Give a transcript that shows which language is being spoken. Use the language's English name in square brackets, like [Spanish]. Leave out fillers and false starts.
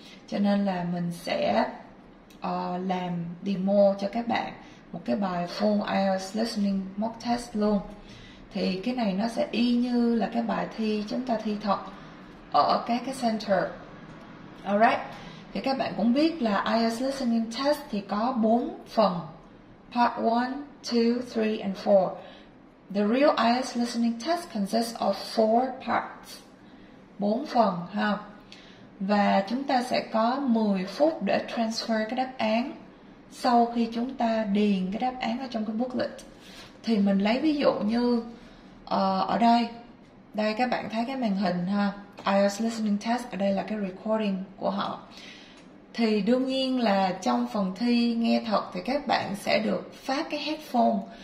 [Vietnamese] Cho nên là mình sẽ làm demo cho các bạn một cái bài full IELTS listening mock test luôn. Thì cái này nó sẽ y như là cái bài thi chúng ta thi thật ở các cái center. Alright, thì các bạn cũng biết là IELTS listening test thì có 4 phần: part 1, 2, 3 and 4. [English] The real IELTS listening test consists of 4 parts. [Vietnamese] 4 phần ha. Và chúng ta sẽ có 10 phút để transfer cái đáp án sau khi chúng ta điền cái đáp án ở trong cái booklet. Thì mình lấy ví dụ như ở đây. Đây các bạn thấy cái màn hình ha. IELTS listening test, ở đây là cái recording của họ. Thì đương nhiên là trong phần thi nghe thật thì các bạn sẽ được phát cái headphone.